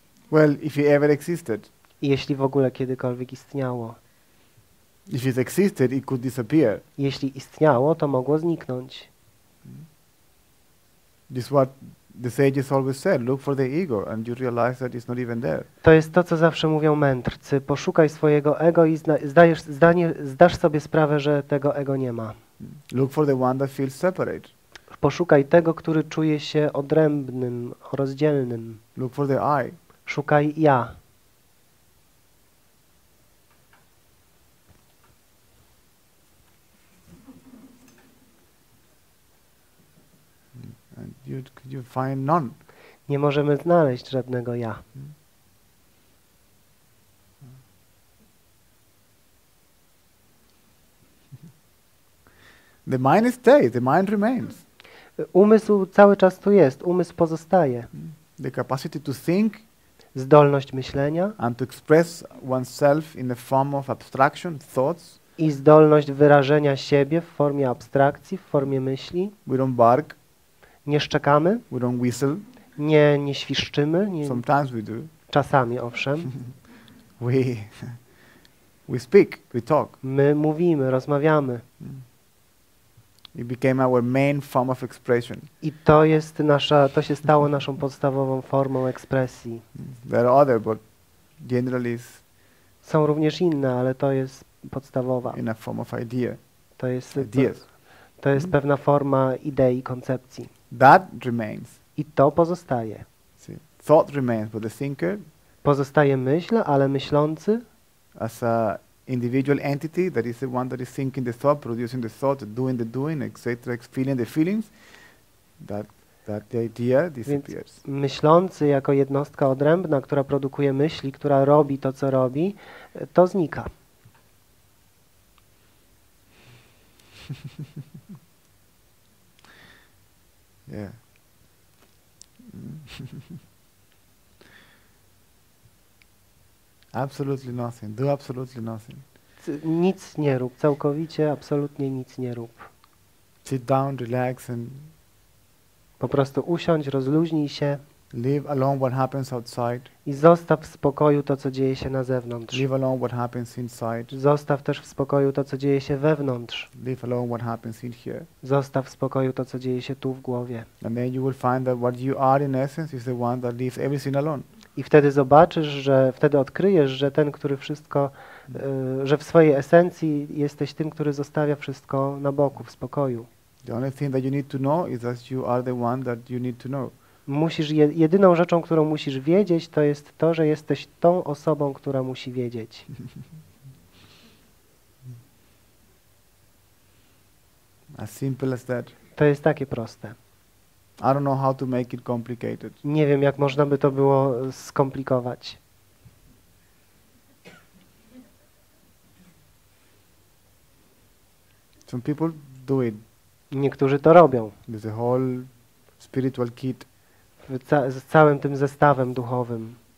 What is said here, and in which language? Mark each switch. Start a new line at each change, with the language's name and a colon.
English: Well, if it ever existed.
Polish: Jeśli w ogóle kiedykolwiek istniało.
English: If it existed, it could disappear.
Polish: Jeśli istniało, to mogło zniknąć.
English: This is what the sages always said, look for the ego and you realize that it's not even there.
Polish: To jest to, co zawsze mówią mędrcy, poszukaj swojego ego i zdasz sobie sprawę, że tego ego nie ma.
English: Look for the one that feels separate.
Polish: Poszukaj tego, który czuje się odrębnym, rozdzielnym.
English: Look for the I.
Polish: Szukaj ja.
English: And you find none.
Polish: Nie możemy znaleźć żadnego ja.
English: The mind stays, the mind remains.
Polish: Umysł cały czas tu jest, umysł pozostaje.
English: The capacity to think.
Polish: Zdolność myślenia
English: and to express oneself in the form of abstraction, thoughts.
Polish: I zdolność wyrażenia siebie w formie abstrakcji, w formie myśli.
English: We don't bark.
Polish: Nie szczekamy.
English: We don't whistle.
Polish: Nie świszczymy. Nie.
English: Sometimes we do.
Polish: Czasami owszem.
English: we speak, we talk.
Polish: My mówimy, rozmawiamy.
English: It became our main form of expression.
Polish: I to jest nasza, to się stało naszą podstawową formą ekspresji.
English: There are other, but
Polish: Są również inne, ale to jest podstawowa.
English: In a form of idea.
Polish: To jest, to jest pewna forma idei, koncepcji.
English: That remains.
Polish: I to pozostaje.
English: See, thought remains, but the thinker.
Polish: Pozostaje myśl, ale myślący.
English: As a individual entity, that is the one that is thinking the thought, producing the thought, doing, etc., feeling the feelings. That the idea disappears.
Polish: Myślący jako jednostka odrębna, która produkuje myśli, która robi to, co robi, to znika.
English: Yeah. Absolutely nothing. Do absolutely nothing.
Polish: Nic nie rób, całkowicie, absolutnie nic nie rób.
English: Sit down, relax and
Polish: po prostu usiądź, rozluźnij się.
English: Leave alone what happens outside.
Polish: I zostaw w spokoju to, co dzieje się na zewnątrz.
English: Leave alone what happens inside.
Polish: Zostaw też w spokoju to, co dzieje się wewnątrz.
English: Leave alone what happens in here.
Polish: Zostaw w spokoju to, co dzieje się tu w głowie.
English: And then you will find that what you are in essence is the one that leaves everything alone.
Polish: I wtedy zobaczysz, że wtedy odkryjesz, że ten, który wszystko, że w swojej esencji jesteś tym, który zostawia wszystko na boku, w spokoju.
English: The only thing that you need to know is that you are the one that you need to know.
Polish: Musisz jedyną rzeczą, którą musisz wiedzieć, to jest to, że jesteś tą osobą, która musi wiedzieć.
English: As simple as that.
Polish: To jest takie proste.
English: I don't know how to make it complicated.
Polish: Nie wiem, jak można by to było skomplikować.
English: Some people do it.
Polish: Niektórzy to robią.
English: With the whole spiritual kit.
Polish: Z całym tym zestawem duchowym.